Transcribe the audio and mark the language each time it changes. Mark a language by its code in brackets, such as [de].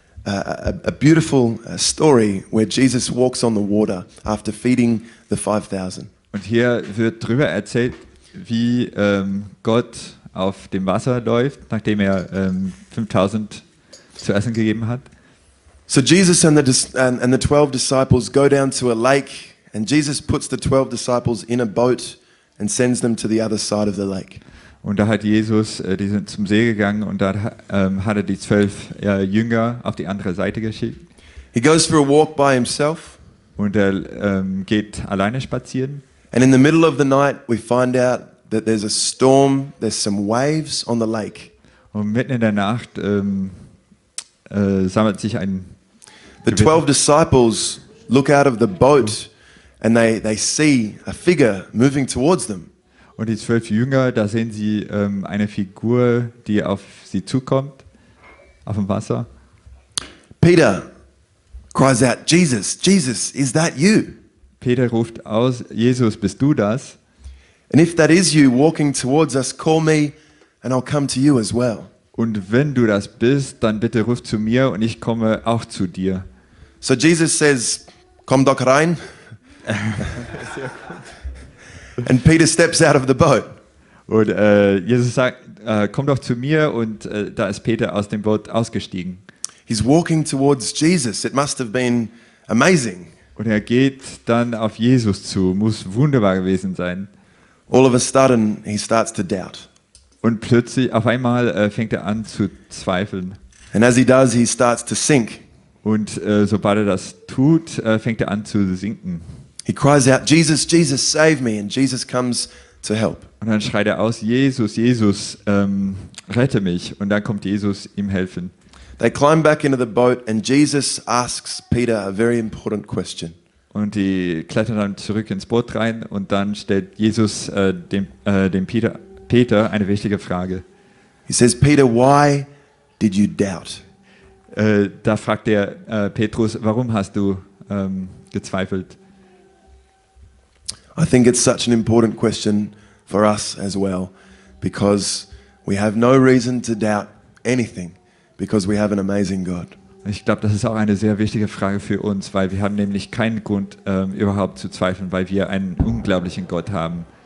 [en] a beautiful story where Jesus walks on the water after feeding the 5,000. [de] Und hier wird drüber erzählt, wie Gott auf dem Wasser läuft, nachdem er 5,000 zu essen gegeben hat. [en] So Jesus and the 12 disciples go down to a lake, and Jesus puts the 12 disciples in a boat and sends them to the other side of the lake. [de] Und da hat Jesus, die sind zum See gegangen, und da hat er die 12 Jünger auf die andere Seite geschickt. [en] He goes for a walk by himself. [de] Und er geht alleine spazieren. [en] And in the middle of the night we find out that there's a storm, there's some waves on the lake. [de] Und mitten in der Nacht sammelt sich ein [en] The 12 disciples look out of the boat and they see a figure moving towards them. [de] Und die 12 Jünger, da sehen sie eine Figur, die auf sie zukommt, auf dem Wasser. [en] Peter cries out, Jesus, Jesus, is that you? [de] Peter ruft aus, Jesus, bist du das? [en] And if that is you walking towards us, call me and I'll come to you as well. [de] Und wenn du das bist, dann bitte ruf zu mir und ich komme auch zu dir. [en] So Jesus says, [de] komm doch rein. [en] And Peter steps out of the boat. [de] Und Jesus sagt, komm doch zu mir, und da ist Peter aus dem Boot ausgestiegen. [en] He's walking towards Jesus. It must have been amazing. [de] Und er geht dann auf Jesus zu. Muss wunderbar gewesen sein. [en] All of a sudden, he starts to doubt. [de] Und plötzlich, auf einmal, fängt er an zu zweifeln. [en] And as he does, he starts to sink. [de] Und sobald er das tut, fängt er an zu sinken. [en] He cries out, Jesus, Jesus, save me, and Jesus comes to help. [de] Und dann schreit er aus, Jesus, Jesus, rette mich. Und dann kommt Jesus ihm helfen. [en] They climb back into the boat, and Jesus asks Peter a very important question. [de] Und die klettern dann zurück ins Boot rein, und dann stellt Jesus dem Peter eine wichtige Frage. [en] He says, Peter, why did you doubt? [de] Da fragt er Petrus, warum hast du gezweifelt? [en] I think it's such an important question for us as well, because we have no reason to doubt anything, because we have an amazing God. [de] Ich glaube, das ist auch eine sehr wichtige Frage für uns, weil wir haben nämlich keinen Grund überhaupt zu zweifeln, weil wir einen unglaublichen Gott haben.